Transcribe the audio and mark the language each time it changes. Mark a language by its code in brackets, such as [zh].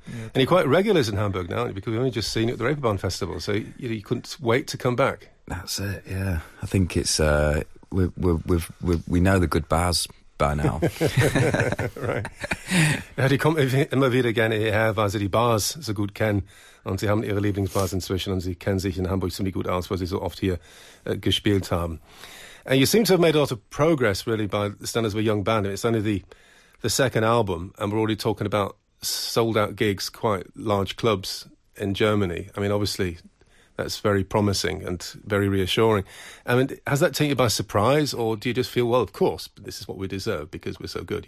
[en] Yeah, and you're quite regulars in Hamburg now, because we've only just seen you at the Reeperbahn Festival, so you couldn't wait to come back. That's it, yeah. I think it's, we know the good bars by now. Right. [de] Ja, die kommen immer wieder gerne hierher, weil sie die Bars so gut kennen. Und sie haben ihre Lieblingsbars inzwischen und sie kennen sich in Hamburg ziemlich gut aus, weil sie so oft hier gespielt haben. [en] And you seem to have made a lot of progress, really, by the standards of a young band. It's only the second album, and we're already talking about sold-out gigs, quite large clubs in Germany. I mean, obviously, that's very promising and very reassuring. I mean, has that taken you by surprise, or do you just feel, well, of course, this is what we deserve because we're so good?